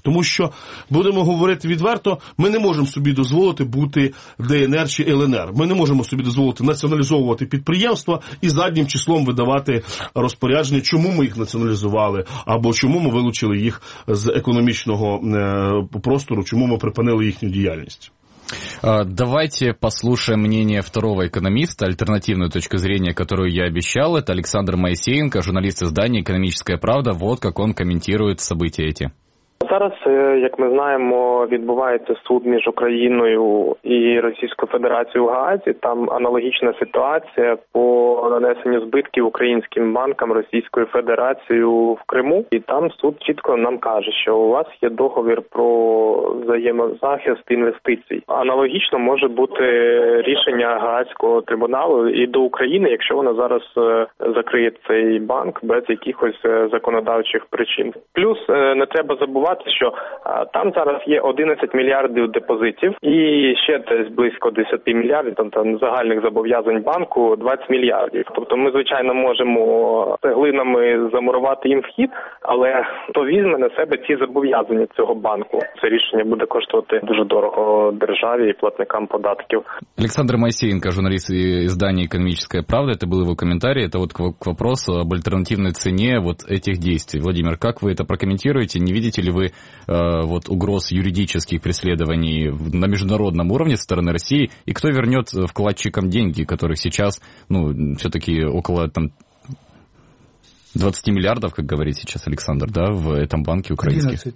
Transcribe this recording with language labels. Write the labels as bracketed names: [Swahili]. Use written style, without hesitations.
[Ukrainian] Тому що, будемо говорити відверто, ми не можемо собі дозволити бути ДНР чи ЛНР. Ми не можемо собі дозволити націоналізовувати підприємства і заднім числом видавати розпорядження, чому ми їх націоналізували, або чому ми вилучили їх з економічного простору, чому ми припинили їхню діяльність. [Russian] Давайте послушаем мнение второго экономиста, альтернативную точку зрения, которую я обещал. Это Александр Моисеенко, журналист издания «Экономическая правда». Вот как он комментирует события эти. [Ukrainian] Зараз, як ми знаємо, відбувається суд між Україною і Російською Федерацією у Гаазі. Там аналогічна ситуація по нанесенню збитків українським банкам Російської Федерації в Криму. І там суд чітко нам каже, що у вас є договір про взаємозахист інвестицій. Аналогічно може бути рішення Гаазького трибуналу і до України, якщо вона зараз закриє цей банк без якихось законодавчих причин. Плюс не треба забувати, що там зараз є 11 мільярдів депозитів і ще десь близько 10 мільярдів, там загальних зобов'язань банку 20 мільярдів. Тобто ми, звичайно, можемо цеглинами замурувати їм вхід, але хто візьме на себе ці зобов'язання цього банку? Це рішення буде коштувати дуже дорого державі і платникам податків. Олександр Моїсеєнко, журналіст ізданні «Економічна правда», це були його коментарі, це от [Russian] к вопросу об [Ukrainian] альтернативній ціні от цих дій. Володимир, як ви це прокоментуєте? [Russian] Не видите ли вы вот угроз юридических преследований на международном уровне со стороны России, и кто вернет вкладчикам деньги, которых сейчас, ну, все-таки около там 20 миллиардов, как говорит сейчас Александр, да, в этом банке украинский?